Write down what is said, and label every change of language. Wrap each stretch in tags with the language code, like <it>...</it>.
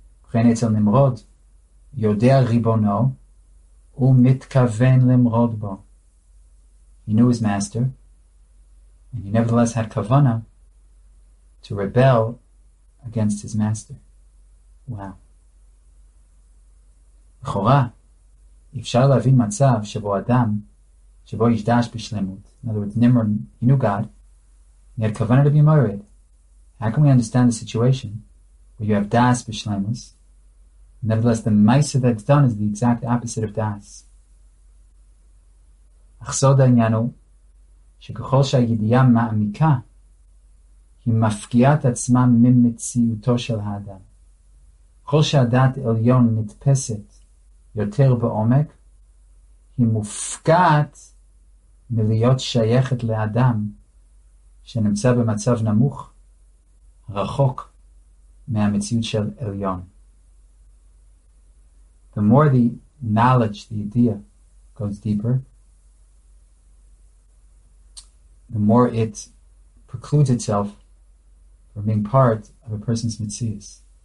<he>V'chein etzel Nimrod, yodea ribono, u'mitkaven limrod bo.</he> <en>He knew his master, and he nevertheless had kavana to rebel against his master. Wow. Chora.</en> <he>אפשר להבין מצב שבו אדם, שבו יש דעש בשלמות.</he> <en>In other words, Nimrod, he knew God, he had kavanah to be married. How can we understand the situation where you have das bishlemus? Nevertheless, the maisa that's done is the exact opposite of das.</en> <he>אך סוד העניין הוא שככל שהידיעה מעמיקה, היא מפקיעה את עצמה ממציאותו של האדם. ככל שהדעת עליון נתפסת, יותר בעומק, היא מופקעת מלהיות שייכת לאדם שנמצא במצב נמוך, רחוק מהמציאות של עליון.</he> <en>The more the knowledge, the idea, goes deeper, the more it precludes itself from being part of a person's mitzvahs.</en>